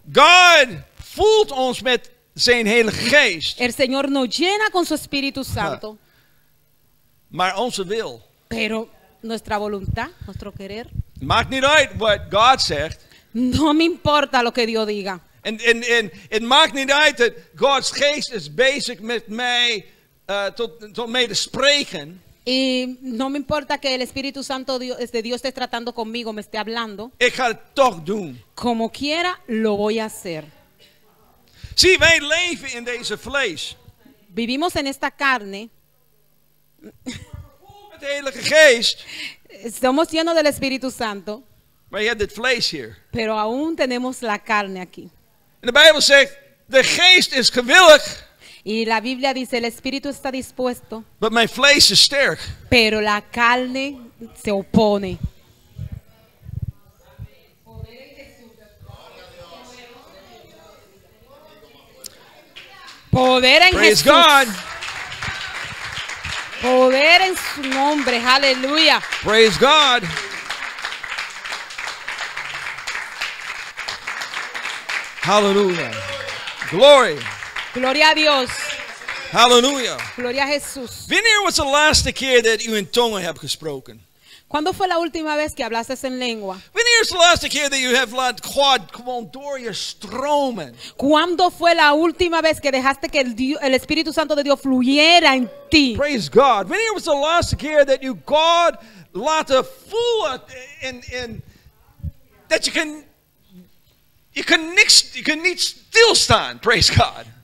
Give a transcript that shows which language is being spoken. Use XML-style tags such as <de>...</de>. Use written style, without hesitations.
<nl>God voelt ons met zijn Heilige Geest.</nl> <es>El Señor nos llena con su Espíritu Santo.</es> <nl>Maar onze wil.</nl> <es>Pero nuestra voluntad, nuestro querer.</es> <nl>Maakt niet uit wat God zegt.</nl> <es>No me importa lo que Dios diga.</es> <nl>En het maakt niet uit dat Gods Geest is bezig met mij tot mij te spreken.</nl> <es>Y no me importa que el Espíritu Santo de Dios esté tratando conmigo, me esté hablando.</es> <nl>Ik ga het toch doen.</nl> <es>Como quiera, lo voy a hacer.</es> <nl>Zie, wij leven in deze vlees.</nl> <es>Vivimos en esta carne.</es> <nl>Met de Heilige Geest.</nl> <es>Somos llenos del Espíritu Santo.</es> <nl>Maar je hebt dit vlees hier.</nl> <es>Pero aún tenemos la carne aquí.</es> <nl>En de Bijbel zegt, de Geest is gewillig.</nl> <es>Y la Biblia dice, el Espíritu está dispuesto.</es> <en>But my</en> <nl>vlees is sterk.</nl> <es>Pero la carne se opone. Poder en</es> <en>Praise</en> <es>Jesús.</es> <en>God.</en> <es>Poder en su nombre. Aleluya.</es> <en>Praise God.</en> <es>Aleluya. Glory. Gloria a Dios. Aleluya. Gloria a Jesús.</es> <nl>Wanneer was</nl> <en>the last</en> <nl>keer</nl> <en>that you in tongues have</en> <nl>gesproken?</nl> <es>¿Cuándo fue la última vez que hablaste en lengua?</es> <nl>Wanneer was</nl> <en>the last</en> <nl>keer</nl> <en>that you have let God come on</en> <nl>door</nl> <en>you</en> <nl>stromen?</nl> <es>¿Cuándo fue la última vez que dejaste que el Espíritu Santo de Dios fluyera en ti?</es> <en>Praise God.</en> <nl>Wanneer was</nl> <en>the last</en> <nl>keer</nl> <en>that you God let a full in that you can</en> <nl>niet stilstaan?</nl> <en>Praise God.</en>